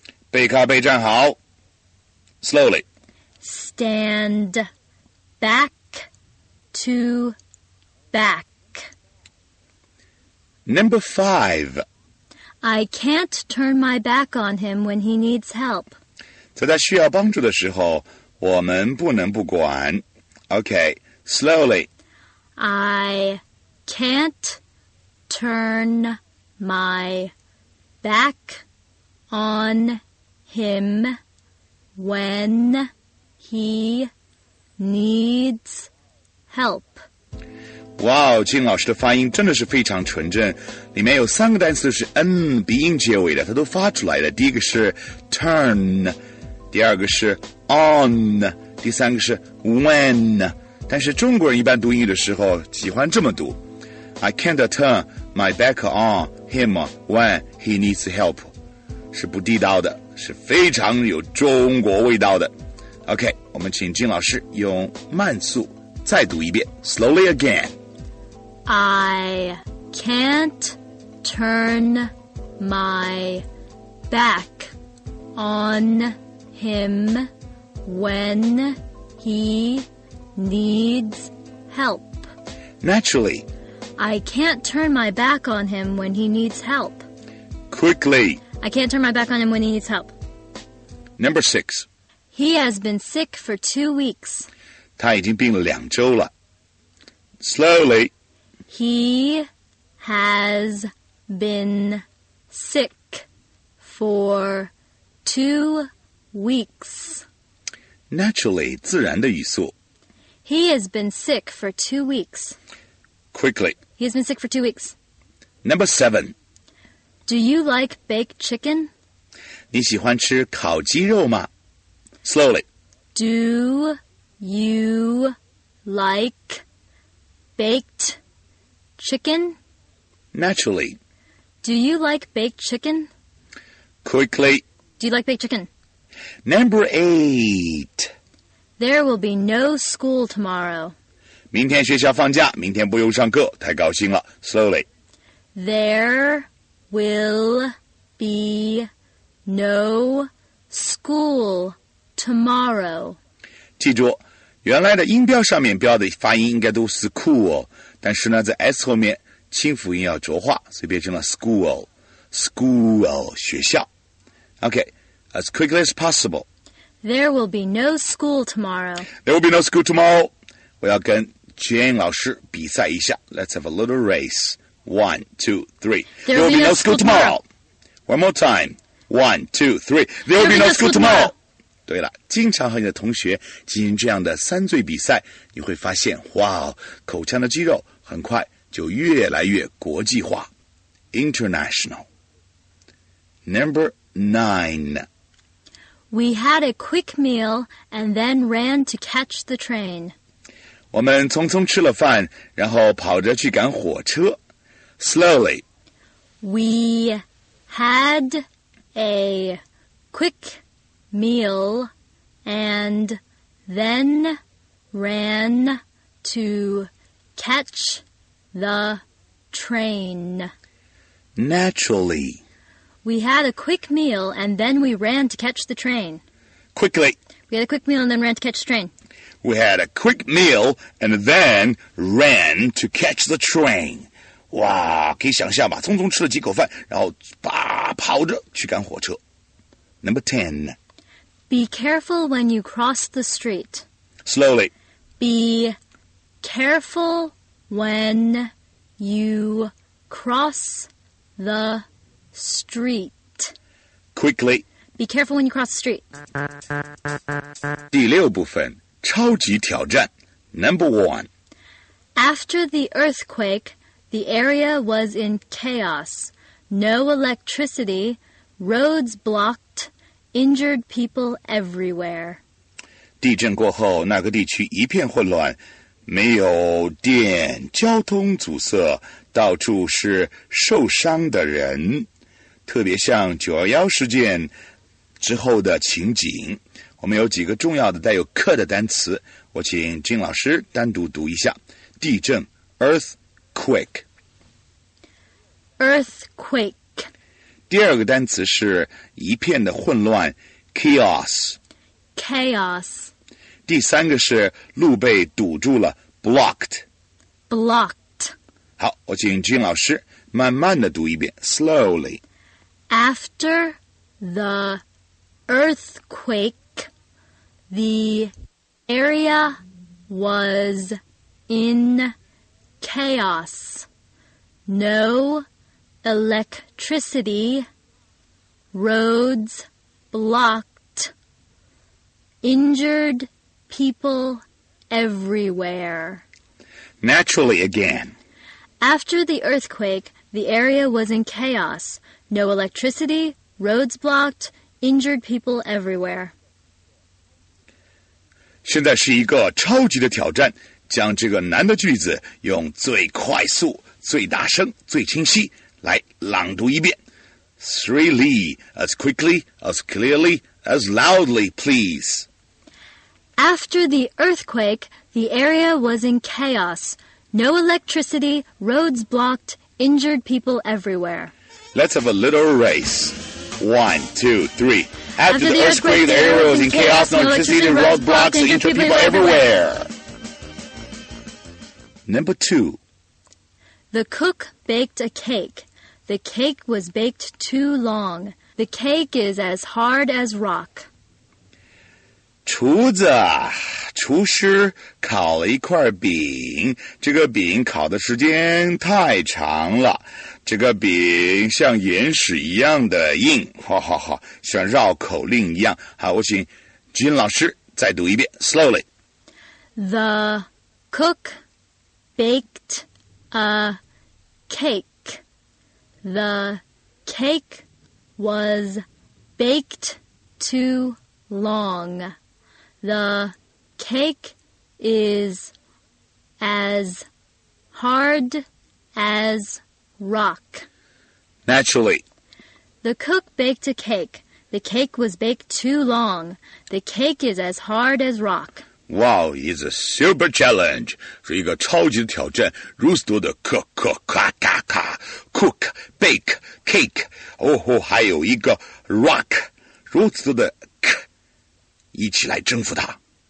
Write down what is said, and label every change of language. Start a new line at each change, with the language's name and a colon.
Chinese: 背靠背站好。
English: Slowly. Stand back to back. Number five. I can't turn my back on him when he needs help.
Chinese: 在他需要帮助的时候，我们不能不管。
English: Okay, slowly. I can't turn my back on him when he needs help.
Chinese: Wow, 金老师的发音真的是非常纯正，里面有三个单词都是 N 鼻音结尾的，它都发出来了。第一个是 turn， 第二个是 on， 第三个是 when。但是中国人一般读英语的时候喜欢这么读
English: I can't turn my back on him when he needs help
Chinese: 是不地道的是非常有中国味道的 OK 我们请金老师用慢速再读一遍
English: Slowly again I can't turn my back on him when heneeds help. Naturally. I can't turn my back on him when he needs help. Quickly. I can't turn my back on him when he needs help. Number six. He has been sick for 2 weeks.
Chinese: 他已经病了两周了。
English: Slowly. He has been sick for 2 weeks. Naturally,
Chinese: 自然的语速。
English: He has been sick for 2 weeks. Quickly. He has been sick for 2 weeks. Number seven. Do you like baked chicken?
Chinese: 你喜欢吃烤鸡肉吗?
English: Slowly. Do you like baked chicken? Naturally. Do you like baked chicken? Quickly. Do you like baked chicken? Number eight. There will be no school tomorrow.
Chinese: 明天学校放假，明天不用上课，太高兴了。
English: Slowly. There will be no school tomorrow.
Chinese: 记住，原来的音标上面标的发音应该都是 school， 但是呢，在 s 后面清辅音要浊化，所以变成了 school， school 学校。
English: Okay, as quickly as possible. There will be no school tomorrow. There will be no school tomorrow.
Chinese: 我要跟 Jane 老师比赛一下。
English: Let's have a little race. One, two, three. There will be no school tomorrow. One more time. One, two, three. There will be no school tomorrow.
Chinese: 对了，经常和你的同学进行这样的三醉比赛，你会发现，哇，口腔的肌肉很快就越来越国际化。
English: International. Number nine. We had a quick meal and then ran to catch the train.
Chinese: 我们匆匆吃了饭，然后跑着去赶火车。
English: Slowly. We had a quick meal and then ran to catch the train. Naturally. We had a quick meal, and then we ran to catch the train. Quickly. We had a quick meal, and then ran to catch the train. We had a quick meal, and then ran to catch the train.
Chinese: 哇，可以想象吧，匆匆吃了几口饭，然后吧，跑着去赶火车。
English: Number 10. Be careful when you cross the street. Slowly. Be careful when you cross the street. Quickly. Be careful when you cross the street.
Chinese: 第六部分，超级挑战
English: Number one. After the earthquake, the area was in chaos. No electricity, roads blocked, injured people everywhere.
Chinese: 地震过后，那个地区一片混乱，没有电，交通阻塞，到处是受伤的人。特别像911事件之后的情景，我们有几个重要的带有克的单词，我请金老师单独读一下。地震 ,earthquake。
English: earthquake。
Chinese: 第二个单词是一片的混乱 ,chaos。
English: chaos。
Chinese: 第三个是路被堵住了 ,blocked。
English: blocked。
Chinese: 好，我请金老师慢慢的读一遍 ,
English: slowly。 After the earthquake, the area was in chaos. No electricity, roads blocked, injured people everywhere. Naturally again. After the earthquake, the area was in chaos. No electricity, roads blocked, injured people everywhere.
Chinese: 现在是一个超级的挑战，将这个难的句子用最快速、最大声、最清晰来朗读一遍。
English: Really, as quickly, as clearly, as loudly, please. After the earthquake, the area was in chaos. No electricity, roads blocked, injured people everywhere. Let's have a little race. 1, 2, 3. After the earthquake, the area was in chaos. No electricity, roads blocked, injured people everywhere. Number 2. The cook baked a cake. The cake was baked too long. The cake is as hard as rock.
Chinese: 厨子，厨师烤了一块饼，这个饼烤的时间太长了，这个饼像岩石一样的硬，哈哈哈，像绕口令一样。好，我请金老师再读一遍 ，
English: slowly. The cook baked a cake. The cake was baked too long. The cake is as hard as rock. Naturally. The cook baked a cake. The cake was baked too long. The cake is as hard as rock. Wow, it's a super challenge.
Chinese: 是一个超级的挑战。如此多的
English: cook, cook, cook, cook, cook, bake, cake.
Chinese: 哦吼，还有一个 rock. 如此多的一起来征服它。